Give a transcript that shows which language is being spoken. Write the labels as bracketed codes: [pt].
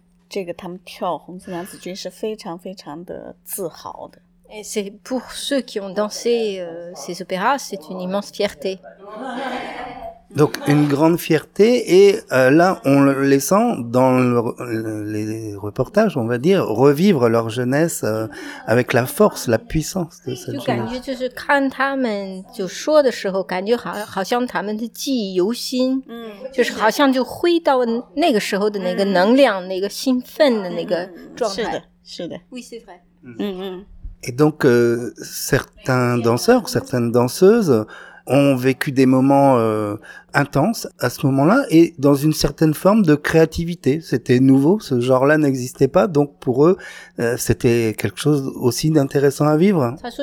[zh] 这个他们跳红色娘子军是非常非常的自豪的。 [fr] Et c'est pour ceux qui ont dansé ces opéras, c'est une immense fierté. Donc une grande fierté, et là on les sent dans les reportages, on va dire, revivre leur jeunesse avec la force, la puissance de cette jeunesse. [zh] 就感觉就是看他们就说的时候，感觉好像他们的记忆犹新，就是好像就回到那个时候的那个能量、那个兴奋的那个状态。是的，是的。 [fr] Oui, c'est vrai. Et donc certains danseurs, certaines danseuses ont vécu des moments intenses à ce moment-là et dans une certaine forme de créativité. C'était nouveau, ce genre-là n'existait pas, donc pour eux, c'était quelque chose aussi d'intéressant à vivre.